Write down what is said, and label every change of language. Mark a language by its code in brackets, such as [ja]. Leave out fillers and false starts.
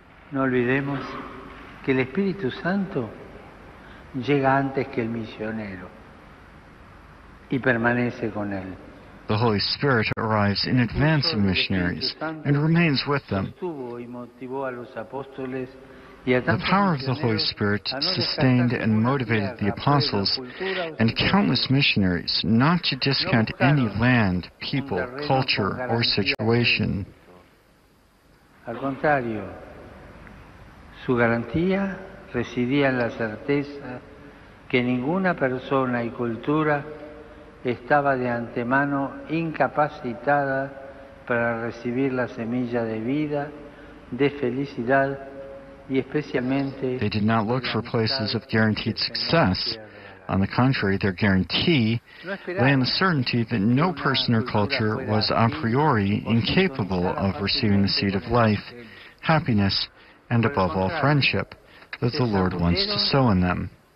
[es] No olvidemos que el Espíritu Santo llega antes que el misionero y permanece con él. [en] The Holy Spirit arrives in advance of missionaries and remains with them. The power of the Holy Spirit sustained and motivated the apostles and countless missionaries not to discount any land, people, culture, or situation. [es] Al contrario, su garantía residía en la certeza que ninguna persona y cultura estaba de antemano incapacitada para recibir la semilla de vida, de felicidad. [en] They did not look for places of guaranteed success. On the contrary, their guarantee lay in the certainty that no person or culture was a priori incapable of receiving the seed of life, happiness, and above all friendship that the Lord wants to sow in them.